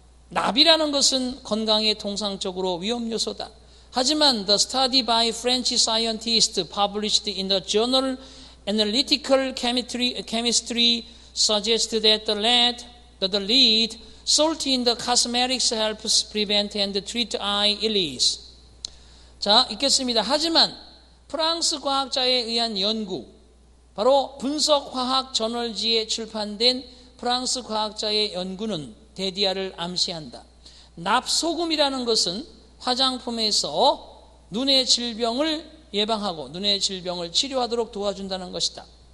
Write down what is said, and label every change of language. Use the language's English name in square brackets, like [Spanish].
[Korean] 납이라는 것은 건강에 통상적으로 위험 요소다. 하지만 [English] the study by French scientist published in the journal Analytical Chemistry suggested that the lead, salt in the cosmetics helps prevent and treat eye illness. [Korean] 자, 읽겠습니다. 하지만 프랑스 과학자에 의한 연구, 바로 분석화학 저널지에 출판된 프랑스 과학자의 연구는 대디아를 암시한다. 납소금이라는 것은 화장품에서 눈의 질병을 예방하고 눈의 질병을 치료하도록 도와준다는 것이다.